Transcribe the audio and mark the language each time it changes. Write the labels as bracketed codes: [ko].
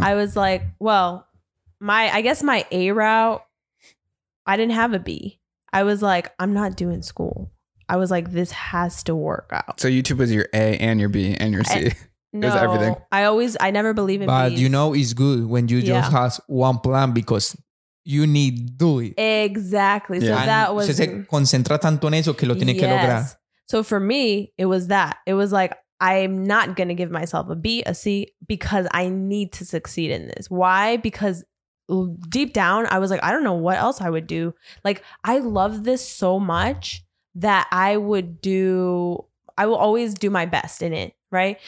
[en] I was like, well, my A route, I didn't have a B. I was like, I'm not doing school. I was like, this has to work out. So YouTube was your A and your B and your C. No, it was everything. I never believe in but B's. You know, it's good when you just have one plan because you need to do it. Exactly. Yeah. So and that was. [es] Se concentra tanto en eso que lo tiene que lograr. [en] So for me, it was that. It was like, I'm not going to give myself a B, a C, because I need to succeed in this. Why? Because deep down, I was like, I don't know what else I would do. Like, I love this so much that I will always do my best in it, right?